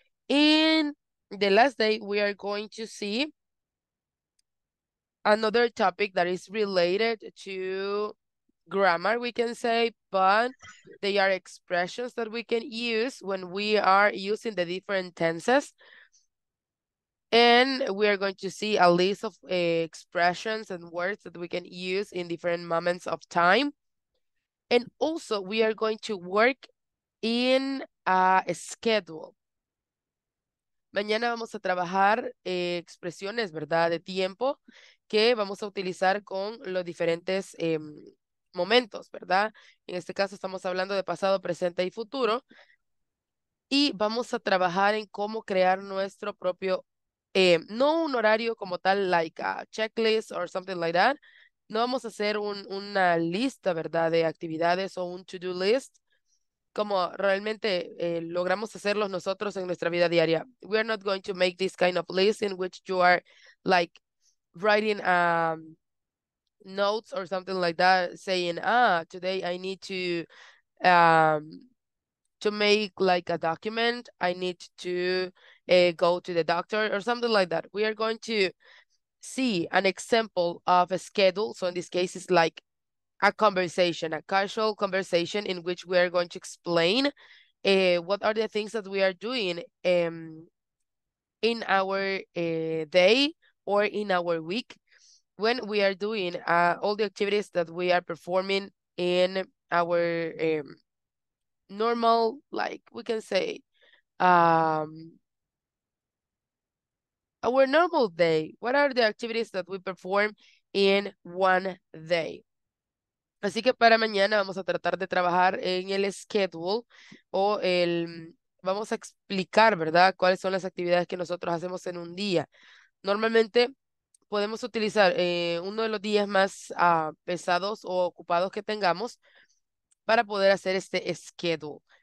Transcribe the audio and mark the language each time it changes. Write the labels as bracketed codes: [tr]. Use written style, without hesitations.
[en] And the last day, we are going to see another topic that is related to grammar, we can say, but they are expressions that we can use when we are using the different tenses. And we are going to see a list of expressions and words that we can use in different moments of time. And also, we are going to work in a schedule. [es] Mañana vamos a trabajar expresiones, ¿verdad?, de tiempo que vamos a utilizar con los diferentes momentos, ¿verdad? En este caso estamos hablando de pasado, presente y futuro. Y vamos a trabajar en cómo crear nuestro propio, no un horario como tal, [en] like a checklist or something like that. [es] No vamos a hacer una lista, ¿verdad?, de actividades o un to-do list, como realmente logramos hacerlos nosotros en nuestra vida diaria. [en] We are not going to make this kind of list in which you are like writing notes or something like that, saying, ah, today I need to make like a document. I need to go to the doctor or something like that. We are going to see an example of a schedule. So in this case, it's like a conversation, a casual conversation in which we are going to explain what are the things that we are doing in our day or in our week when we are doing all the activities that we are performing in our normal, like we can say, our normal day. What are the activities that we perform in one day? [es] Así que para mañana vamos a tratar de trabajar en el schedule o el vamos a explicar, ¿verdad?, cuáles son las actividades que nosotros hacemos en un día. Normalmente podemos utilizar uno de los días más pesados o ocupados que tengamos para poder hacer este schedule.